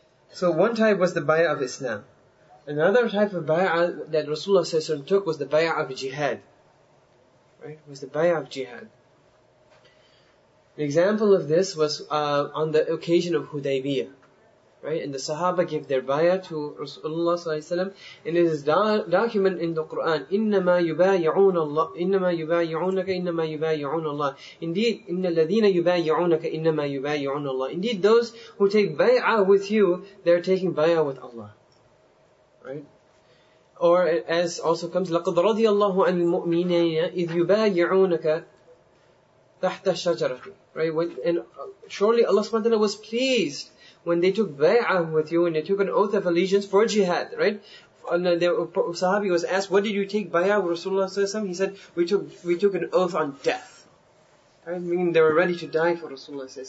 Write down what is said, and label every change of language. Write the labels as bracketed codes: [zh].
[en] So one type was the bay'ah of Islam. Another type of bay'ah that Rasulullah took was the bay'ah of jihad. Right? It was the bay'ah of jihad. An example of this was on the occasion of Hudaybiyah. Right? And the Sahaba gave their bay'ah to Rasulullah ﷺ. And it is documented in the Quran. [ar] إِنَّمَا يُبَايِعُونَ اللَّهِ إِنَّمَا يُبَايِعُونَكَ إِنَّمَا يُبَايِعُونَ اللَّهِ Indeed, إِنَّ الَّذِينَ يُبَايِعُونَكَ إِنَّمَا يُبَايِعُونَ اللَّهِ [en] Indeed, those who take bay'ah with you, they're taking bay'ah with Allah. Right? [ar] Or as also comes, لَقَدْ رَضِيَ اللَّهُ عَنِ الْمُؤْمِنِينَ إِذْ يُبَايِعُونَكَ تَحْتَ الشَّجَرَةِ Right? [en] And surely Allah subhanahu wa ta'ala was pleased when they took bay'ah with you, and they took an oath of allegiance for jihad, right? And the Sahabi was asked, what did you take bay'ah with Rasulullah? He said, we took an oath on death. I mean, they were ready to die for Rasulullah.